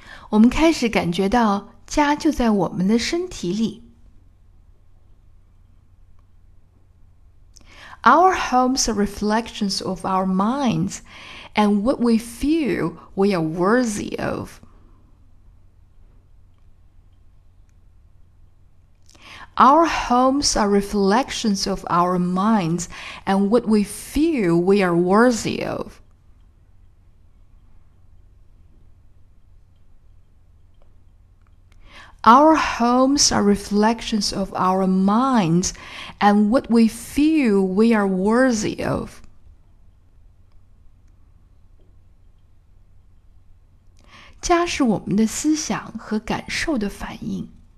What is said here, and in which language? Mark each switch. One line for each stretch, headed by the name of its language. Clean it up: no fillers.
Chinese: 我们开始感觉到家就在我们的身体里。
English: Our homes are reflections of our minds and what we feel we are worthy of. Our homes are reflections of our minds and what we feel we are worthy of. Our homes are reflections of our minds and what we feel we are worthy of.
Chinese: 家是我们的思想和感受的反应。